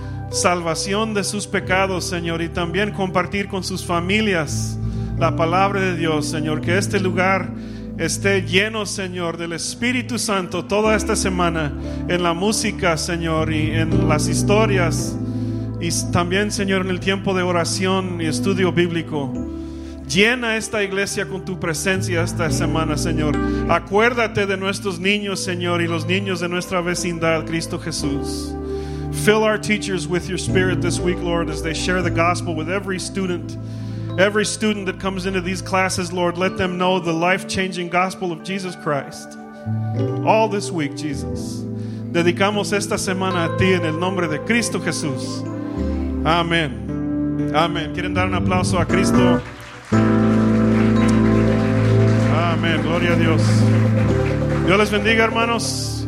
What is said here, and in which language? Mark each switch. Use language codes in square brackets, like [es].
[es] salvación de sus pecados, Señor, y también compartir con sus familias la palabra de Dios, Señor, que este lugar esté lleno, Señor, del Espíritu Santo toda esta semana, en la música, Señor, y en las historias, y también, Señor, en el tiempo de oración y estudio bíblico. Llena esta iglesia con tu presencia esta semana, Señor. Acuérdate de nuestros niños, Señor, y los niños de nuestra vecindad, Cristo Jesús. [en] Fill our teachers with your spirit this week, Lord, as they share the gospel with every student. Every student that comes into these classes, Lord, let them know the life-changing gospel of Jesus Christ. All this week, Jesus. [es] Dedicamos esta semana a ti en el nombre de Cristo Jesús. Amén. Amén. ¿Quieren dar un aplauso a Cristo? Amén. Gloria a Dios. Dios les bendiga, hermanos.